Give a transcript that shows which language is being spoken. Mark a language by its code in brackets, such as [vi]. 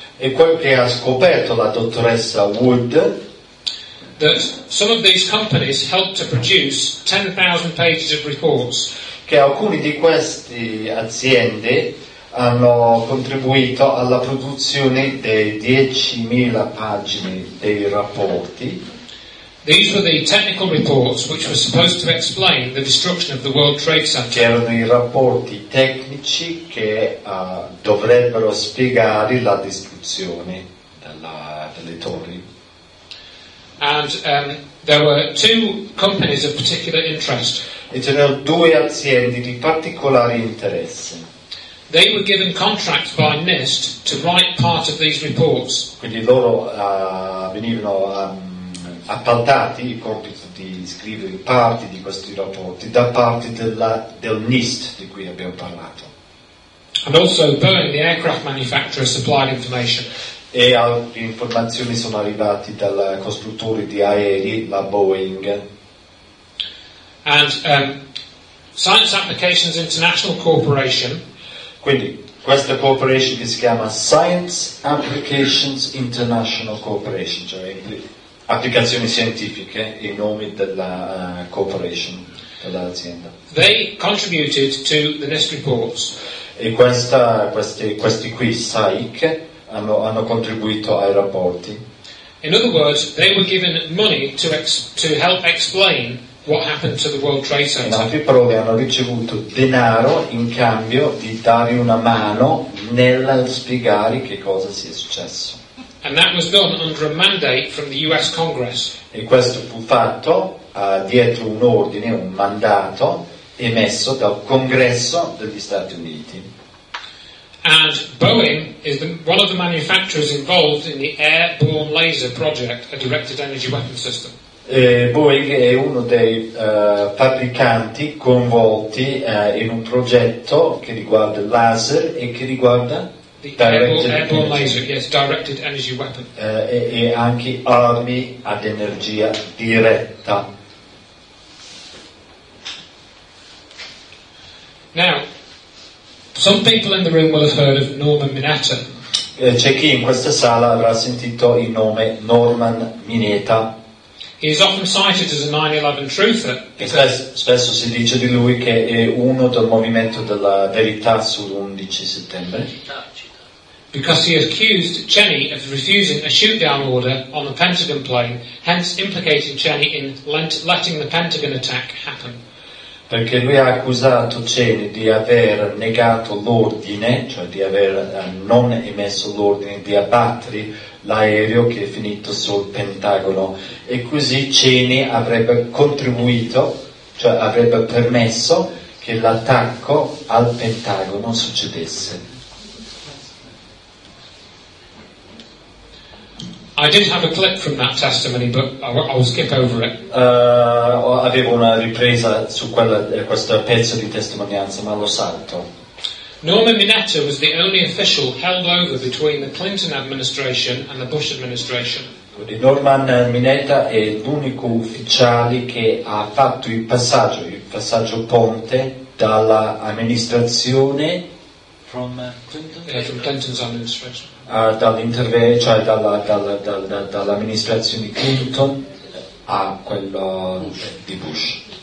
[it] e quel che ha scoperto la dottoressa Wood, [en] that some of these companies helped to produce 10,000 pages of reports, [it] che alcuni di queste aziende hanno contribuito alla produzione dei 10,000 pagine dei rapporti. [en] These were the technical reports which were supposed to explain the destruction of the World Trade Center. [it] Che erano i rapporti tecnici che dovrebbero spiegare la distruzione delle torri. [en] And there were two companies of particular interest. [it] E c'erano due aziende di particolare interesse. [en] They were given contracts by NIST to write part of these reports. [it] Quindi loro venivano appaltati il compito di scrivere parti di questi rapporti da parte della, del NIST di cui abbiamo parlato. [en] And also Boeing, the aircraft manufacturer, supplied information. [it] E altre informazioni sono arrivate dal costruttore di aerei, la Boeing. [en] And Science Applications International Corporation. [it] Quindi questa corporation che si chiama Science Applications International Corporation, cioè applicazioni scientifiche, il nome della corporation, dell'azienda. [en] They contributed to the NIST reports. [it] E questa, questi qui, SAIC, hanno contribuito ai rapporti. [en] In other words, they were given money to help explain what happened to the World Trade Center. [it] In altre parole, hanno ricevuto denaro in cambio di dare una mano nel spiegare che cosa sia successo. [en] And that was done under a mandate from the US Congress. [it] E questo fu fatto dietro un ordine, un mandato emesso dal Congresso degli Stati Uniti. [en] And Boeing is one of the manufacturers involved in the airborne laser project, a directed energy weapon system. [it] Boeing è uno dei fabbricanti coinvolti in un progetto che riguarda il laser e che riguarda [en] directed energy weapon. [it] E anche armi ad energia diretta. [en] Now, some people in the room will have heard of Norman Mineta. [it] C'è chi in questa sala avrà sentito il nome Norman Mineta. [en] He is often cited as a 9/11 truther. [it] Spesso si dice di lui che è uno del movimento della verità sull'11 settembre. [en] Because he accused Cheney of refusing a shoot-down order on the Pentagon plane, hence implicating Cheney in letting the Pentagon attack happen. [it] Perché lui ha accusato Cheney di aver negato l'ordine, cioè di aver non emesso l'ordine di abbattere l'aereo che è finito sul Pentagono, e così Cheney avrebbe contribuito, cioè avrebbe permesso che l'attacco al Pentagono succedesse. [en] I did have a clip from that testimony, but I'll skip over it. [it] Avevo una ripresa su questo pezzo di testimonianza, ma lo salto. [en] Norman Mineta was the only official held over between the Clinton administration and the Bush administration. [it] Quindi Norman Mineta è l'unico ufficiale che ha fatto il passaggio ponte dalla amministrazione [en] from Clinton's administration. [it] Dall'amministrazione di Clinton a quello di Bush.